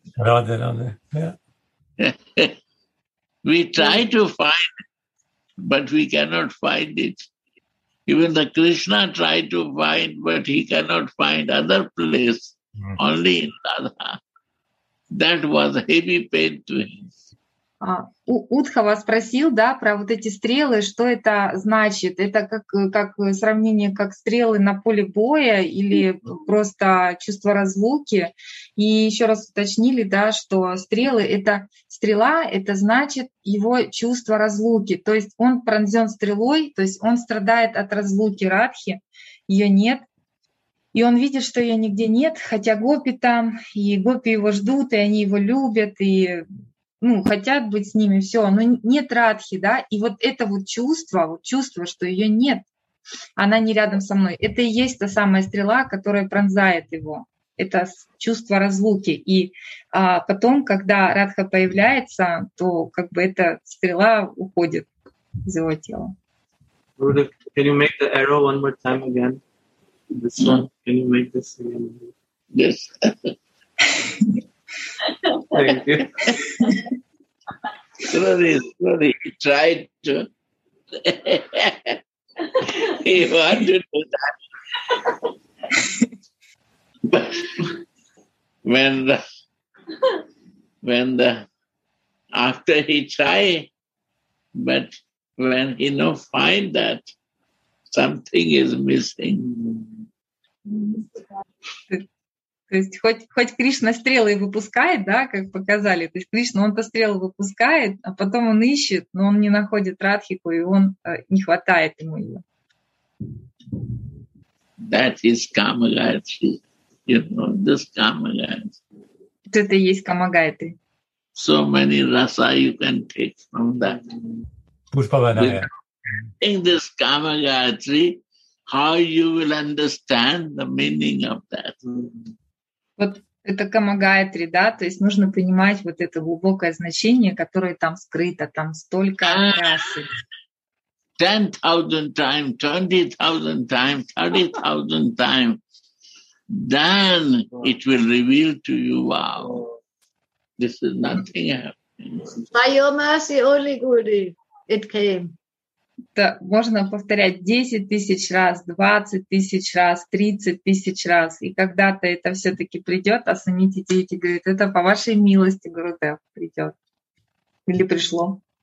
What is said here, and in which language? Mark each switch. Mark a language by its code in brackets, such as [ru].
[en] him. Radha. Yeah. We try to find, but we cannot find it. Even the Krishna tried to find, but he cannot find other place, only in Radha. That was a heavy pain to him. [ru] Удхава спросил, да, про вот эти стрелы, что это значит? Это как сравнение, как стрелы на поле боя или просто чувство разлуки? И еще раз уточнили, да, что стрелы — это стрела, это значит его чувство разлуки. То есть он пронзен стрелой, то есть он страдает от разлуки Радхи, ее нет. И он видит, что ее нигде нет, хотя гопи там, и гопи его ждут, и они его любят, и... Ну, хотят быть с ними, все, но нет Радхи, да, и вот это вот чувство, что ее нет, она не рядом со мной, это и есть та самая стрела, которая пронзает его, это чувство разлуки, и потом, когда Радха появляется, то как бы эта стрела уходит из его тела. [en] Can you make the arrow one more time again? This one, can you make this again? Yes. Thank you. Sorry. He tried to. He wanted to do that. But after he tried, but when he now find that something is missing. [ru] То есть хоть Кришна стрелы и выпускает, да, как показали, то есть Кришна, он-то стрелы выпускает, а потом он ищет, но он не находит Радхику, и он не хватает ему ее. [en] That is Kamagayatri. You know, this Kamagayatri. [ru] Вот это и есть Kamagayatri. [en] So many rasa you can take from that. Pushpavanaya. In this Kamagayatri, how you will understand the meaning of that? [ru] Вот это Kamagayatri, да, то есть нужно понимать вот это глубокое значение, которое там скрыто, там столько расы. [en] 10,000 times, 20,000 times, 30,000 times, then it will reveal to you, wow, this is nothing happening. By your mercy only, Guru, it came. [ru] Да, можно повторять 10 тысяч раз, 20 тысяч раз, 30 тысяч раз. И когда-то это все-таки придет, а сами эти дети говорят, это по вашей милости, Гурудев, придет. Или пришло.